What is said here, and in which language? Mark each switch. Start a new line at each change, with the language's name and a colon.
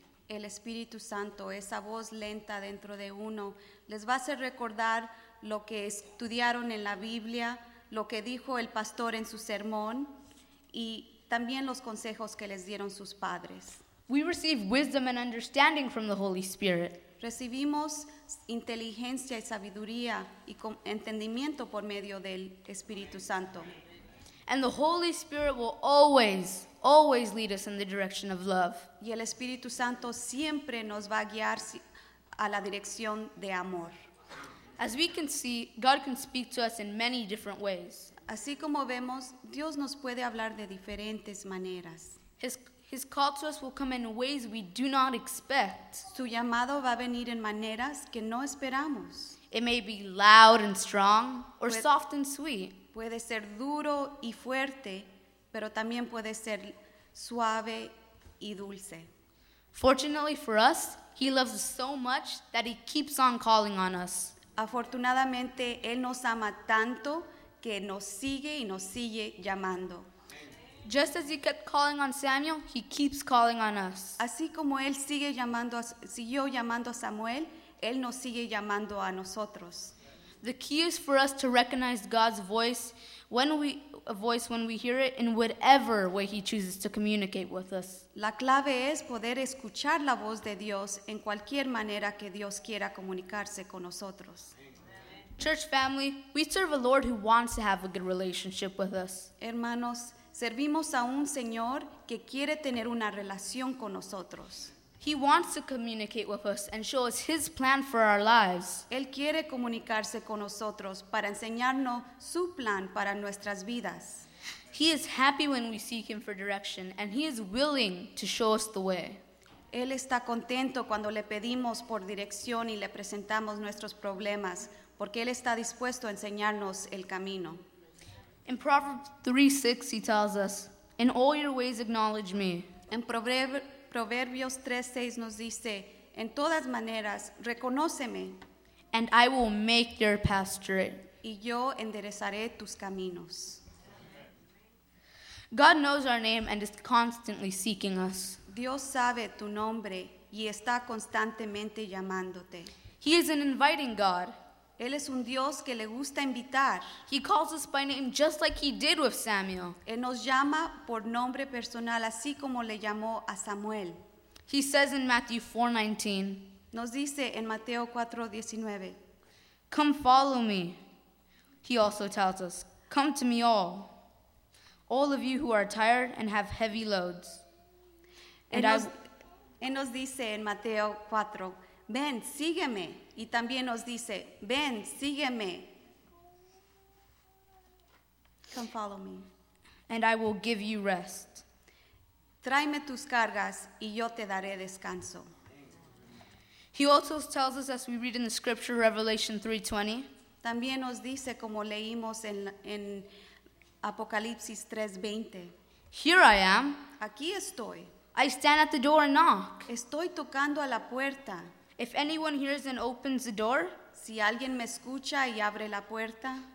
Spanish: El Espíritu Santo, esa voz lenta dentro de uno, les va a hacer recordar lo que estudiaron en la Biblia, lo que dijo el pastor en su sermón, y también los consejos que les dieron sus padres.
English: We receive wisdom and understanding from the Holy Spirit.
Spanish: Recibimos inteligencia y sabiduría y entendimiento por medio del Espíritu Santo.
English: And the Holy Spirit will always, always lead us in the direction of love.
Spanish: Y el Espíritu Santo siempre nos va a guiar a la dirección de amor.
English: As we can see, God can speak to us in many different ways.
Spanish: Así como vemos, Dios nos puede hablar de diferentes maneras.
English: His call to us will come in ways we do not expect.
Spanish: Su llamado va a venir en maneras que no esperamos.
English: It may be loud and strong, or soft and sweet.
Spanish: Puede ser duro y fuerte, pero también puede ser suave y dulce.
English: Fortunately for us, He loves us so much that He keeps on calling on us.
Spanish: Afortunadamente, Él nos ama tanto que nos sigue llamando.
English: Just as He kept calling on Samuel, He keeps calling on us.
Spanish: Así como Él siguió llamando a Samuel, Él nos sigue llamando a nosotros.
English: The key is for us to recognize God's voice when we hear it in whatever way He chooses to communicate with us.
Spanish: La clave es poder escuchar la voz de Dios en cualquier manera que Dios quiera comunicarse con nosotros.
English: Church family, we serve a Lord who wants to have a good relationship with us.
Spanish: Hermanos, servimos a un Señor que quiere tener una relación con nosotros.
English: He wants to communicate with us and show us His plan for our lives.
Spanish: Él quiere comunicarse con nosotros para enseñarnos su plan para nuestras vidas.
English: He is happy when we seek Him for direction, and He is willing to show us the way.
Spanish: Él está contento cuando le pedimos por dirección y le presentamos nuestros problemas, porque Él está dispuesto a enseñarnos el camino.
English: In Proverbs 3:6, He tells us, "In all your ways acknowledge me."
Spanish: En Proverbios 3:6 nos dice, "En todas maneras reconóceme."
English: And I will make your path straight.
Spanish: Y yo enderezaré tus caminos.
English: God knows our name and is constantly seeking us.
Spanish: Dios sabe tu nombre y está constantemente llamándote.
English: He is an inviting God.
Spanish: Él es un Dios que le gusta invitar.
English: He calls us by name just like He did with Samuel.
Spanish: Él nos llama por nombre personal, así como le llamó a Samuel.
English: He says in Matthew 4:19.
Spanish: Nos dice en Mateo 4:19.
English: Come follow me. He also tells us, come to me all. All of you who are tired and have heavy loads.
Spanish: And nos dice en Mateo 4, ven, sígueme. Y también nos dice, ven, sígueme.
English: Come follow me. And I will give you rest.
Spanish: Tráeme tus cargas y yo te daré descanso.
English: He also tells us, as we read in the scripture, Revelation 3:20.
Spanish: También nos dice, como leímos en Apocalipsis 3:20.
English: Here I am.
Spanish: Aquí estoy.
English: I stand at the door and knock.
Spanish: Estoy tocando a la puerta.
English: If anyone hears and opens the door,
Spanish: si alguien me escucha y abre la puerta,